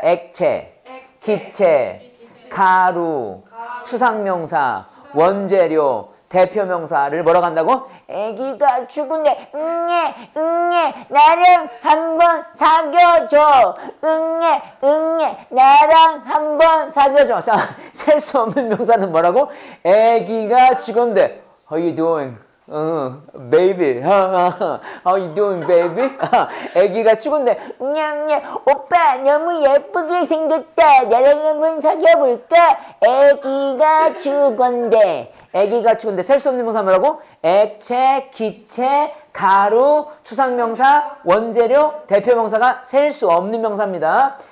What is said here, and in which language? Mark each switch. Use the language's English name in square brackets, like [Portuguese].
[Korean] 액체 기체, 가루, 추상명사, 원재료, 대표 명사를 뭐라 간다고? 애기가 죽은데, 응애, 나랑 한번 사겨줘. 응애, 나랑 한번 사겨줘. 자, 셀 수 없는 명사는 뭐라고? 애기가 죽은데, [English] how you doing? baby. How you doing, baby? [Korean] 애기가 죽은데, 오빠, 너무 예쁘게 생겼다. 나랑 한번 사귀어볼까? 애기가 죽은데. 애기가 죽은데. 셀 수 없는 명사 뭐라고? 액체, 기체, 가루, 추상명사, 원재료, 대표명사가 셀 수 없는 명사입니다.